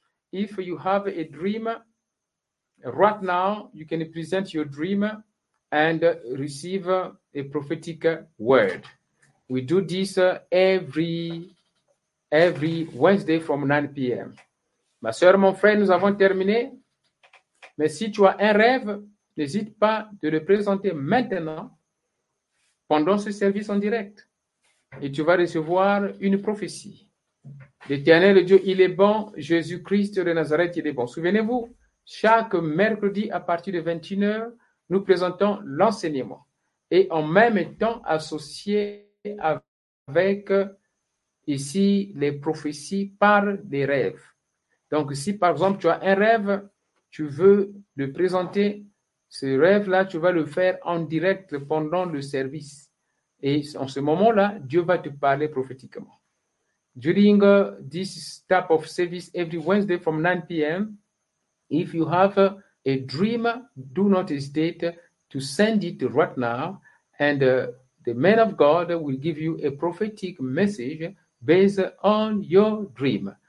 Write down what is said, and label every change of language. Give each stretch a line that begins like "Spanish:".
English: If you have a dream, right now, you can present your dream and receive a prophetic word. We do this every Wednesday from 9 p.m.
French: Ma soeur, mon frère, nous avons terminé. Mais si tu as un rêve, n'hésite pas de le présenter maintenant pendant ce service en direct et tu vas recevoir une prophétie. L'Éternel Dieu, il est bon. Jésus-Christ de Nazareth, il est bon. Souvenez-vous, chaque mercredi à partir de 21h, nous présentons l'enseignement et en même temps associé avec ici les prophéties par des rêves. Donc si par exemple tu as un rêve, tu veux le présenter. Ce rêve-là, tu vas le faire en direct pendant le service. Et en ce moment-là, Dieu va te parler prophétiquement.
English: During this type of service every Wednesday from 9 p.m., if you have a dream, do not hesitate to send it right now. And the man of God will give you a prophetic message based on your dream.